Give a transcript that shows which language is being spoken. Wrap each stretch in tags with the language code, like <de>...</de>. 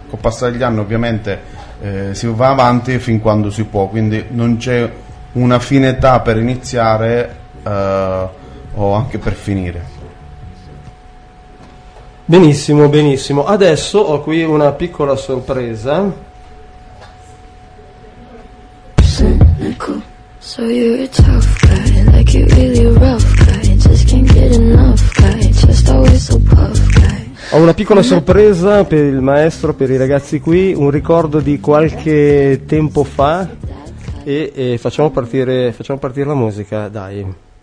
<it>Col passare degli anni ovviamente si va avanti fin quando si può, quindi non c'è una fine età per iniziare o anche per finire. Benissimo, benissimo. Adesso ho qui una piccola sorpresa.</it> <en>So you're a tough guy, like you're really rough guy, just can't get enough guy, just always so puff guy.</en> <it>Ho una piccola sorpresa per il maestro, per i ragazzi qui, un ricordo di qualche tempo fa e facciamo partire la musica, dai.</it>